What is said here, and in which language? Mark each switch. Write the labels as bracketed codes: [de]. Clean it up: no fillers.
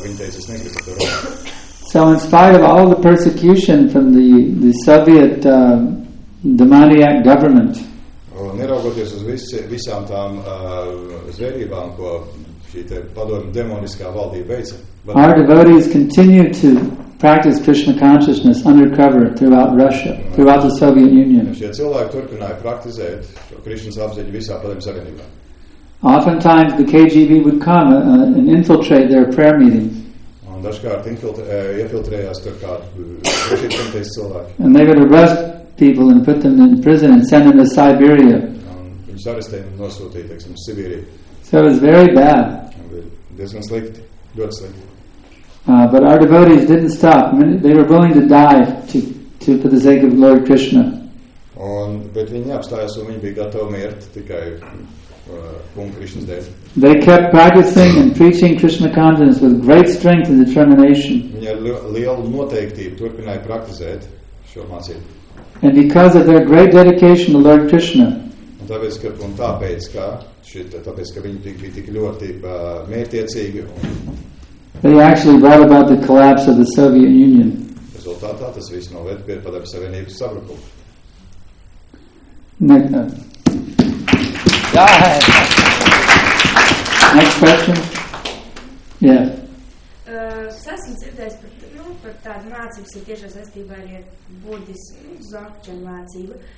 [en] So in spite of all the persecution from the Soviet demoniac government, our devotees continue to practice Krishna consciousness undercover throughout Russia, throughout the Soviet Union. [lv] Šie cilvēki turpināja praktizēt šo Krishna apziņu visā Padomju Savienībā. [en] Oftentimes the KGB would come and infiltrate their prayer meetings. [lv] Un dažkārt iefiltrējās tur kādu drošības komitejas cilvēki. [en] And they would arrest people and put them in prison and send them to Siberia. [lv] Un viņus arestēja un nosūtīja, teiksim, uz Sibīriju. [en] So it was very bad. [lv] Diezgan slikti, ļoti slikti. [en] But our devotees didn't stop. I mean, they were willing to die to for the sake of Lord Krishna. [lv] Un, bet viņi apstājās, un viņi bija gatavi mirt tikai kung Krishnas dēļ. [en] They kept practicing and preaching Krishna consciousness with great strength and determination. [lv] Viņi ar lielu noteiktību turpināja praktizēt šo mācību. [en] And because of their great dedication to Lord Krishna, [lv] un tāpēc, ka, un tāpēc, ka, tāpēc, ka viņi bija tik ļoti mērtiecīgi. [en] They actually brought about the collapse of the Soviet Union. [lv] Rezultātā tas viss noveda pie Padomju Savienības sabrukuma. [en] Next. Next question. Yeah. [lv] Esmu dzirdējis par, nu, par tādu mācību, kas ir tiešā saistībā arī ar budismu, Dzogčenu mācību.